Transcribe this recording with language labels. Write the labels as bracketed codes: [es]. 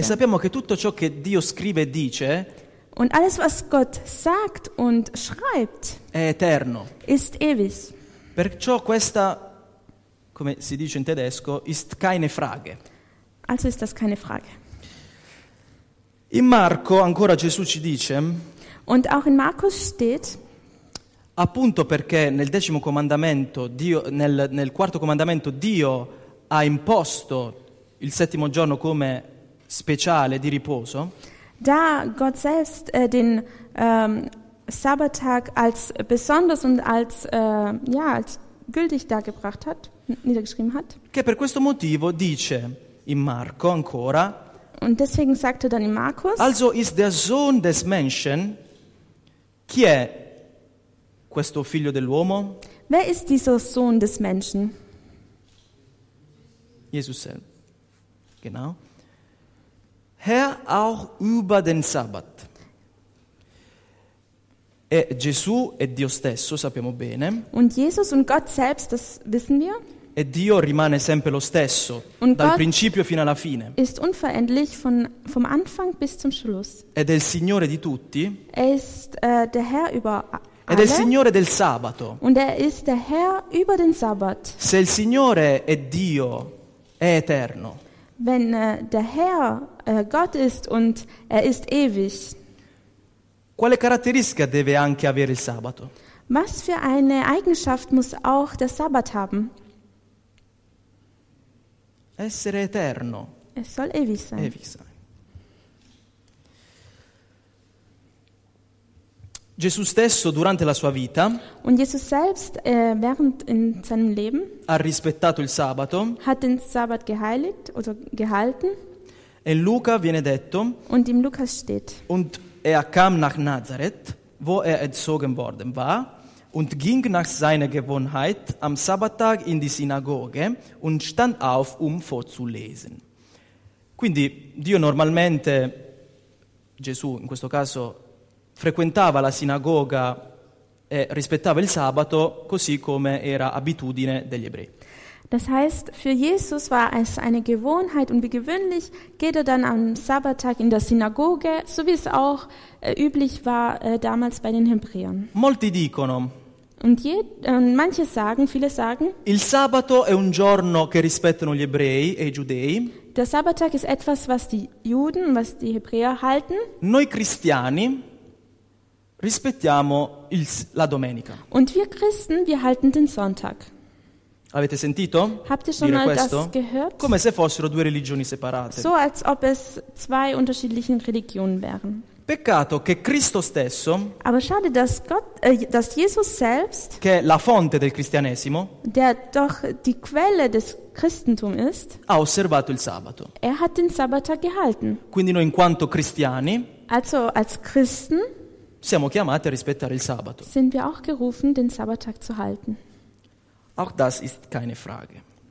[it] E sappiamo che tutto ciò che Dio scrive e dice, [de] und alles, was Gott sagt und schreibt, [it] è eterno. [de] Ist ewig. [it] Perciò questa, come si dice in tedesco, [de] ist keine Frage. Also ist das keine Frage. [it] In Marco ancora Gesù ci dice, [de] und auch in Markus steht, [it] appunto perché nel decimo comandamento Dio, nel quarto comandamento Dio ha imposto il 7. giorno come speciale di riposo. [de] Da Gott selbst den Sabbattag als besonders und als als gültig dargebracht hat, niedergeschrieben hat. [it] Che per questo motivo dice in Marco ancora. [de] Und deswegen sagte dann in Markus. Also ist der Sohn des Menschen. [it] Chi è questo figlio dell'uomo? [de] Wer ist dieser Sohn des Menschen? Jesus selbst. Genau. Herr auch über den Sabbat. [it] E Gesù è Dio stesso, sappiamo bene. [de] Und Jesus und Gott selbst, das wissen wir. [it] E Dio rimane sempre lo stesso, [de] und [it] dal [de] Gott [it] principio fino alla fine. [de] Ist unveränderlich vom Anfang bis zum Schluss. [it] Ed è il Signore di tutti. [de] Er ist der Herr über alle. [it] Ed è il Signore del sabato. [de] Und er ist der Herr über den Sabbat. [it] Se il Signore è Dio, è eterno. [de] Wenn der Herr Gott ist und er ist ewig. [it] Quale caratteristica deve anche avere il sabato? [de] Was für eine Eigenschaft muss auch der Sabbat haben? [it] Essere eterno. [de] Es soll ewig sein. Ewig sein. [it] Gesù stesso durante la sua vita. [de] Und Jesus selbst während in seinem Leben. [it] Ha rispettato il sabato. [de] Hat den Sabbat geheiligt oder gehalten. [it] E in Luca viene detto. [de] Und im Lukas steht. Und er kam nach Nazareth, wo er erzogen worden war, und ging nach seiner Gewohnheit am Sabbattag in die Synagoge und stand auf, um vorzulesen. [it] Quindi Dio normalmente, Gesù in questo caso, frequentava la sinagoga e rispettava il sabato così come era abitudine degli ebrei. [de] Das heißt, für Jesus war es eine Gewohnheit und wie gewöhnlich geht er dann am Sabbattag in der Synagoge, so wie es auch üblich war damals bei den Hebräern. [it] Molti dicono. [de] Und manche sagen, viele sagen, [it] il sabato è un giorno che rispettano gli ebrei e i giudei. [de] Der Sabbattag ist etwas, was die Juden, was die Hebräer halten. [it] Noi cristiani rispettiamo la domenica. [de] Und wir Christen, wir halten den Sonntag. [it] Avete sentito? [de] Habt ihr schon mal [it] questo? [de] Das gehört? [it] Come se fossero due religioni separate. [de] So als ob es zwei unterschiedlichen Religionen wären. [it] Peccato che Cristo stesso, [de] aber schade, dass Gott, dass Jesus selbst, [it] che è la fonte del cristianesimo, [de] der doch die Quelle des Christentums ist, [it] ha osservato il sabato. [de] Er hat den Sabbattag gehalten. [it] Quindi noi in quanto cristiani, [de] also als Christen, [it] siamo chiamati a rispettare il sabato. [de] Sind wir auch gerufen, den Sabbattag zu halten. Auch das ist keine Frage.